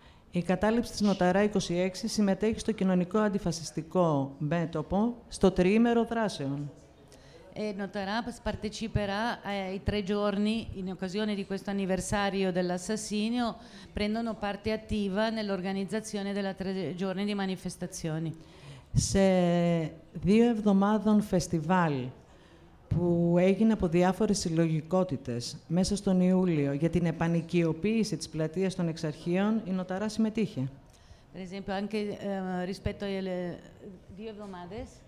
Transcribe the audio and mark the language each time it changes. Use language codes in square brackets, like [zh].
[el] Η κατάληψη της Νοταρά 26 συμμετέχει στο κοινωνικό αντιφασιστικό μέτωπο στο τριήμερο δράσεων. [it] E Notarà parteciperà ai tre giorni in occasione di questo anniversario dell'assassinio, prendono parte attiva nell'organizzazione della tre giorni di manifestazioni. [el] Σε δύο εβδομάδων φεστιβάλ που έγινε από διάφορες συλλογικότητες μέσα στον Ιούλιο για την επανοικιοποίηση της πλατείας των Εξαρχείων, η Νοταρά συμμετείχε. [it] Per esempio, anche rispetto alle due [el] εβδομάδε.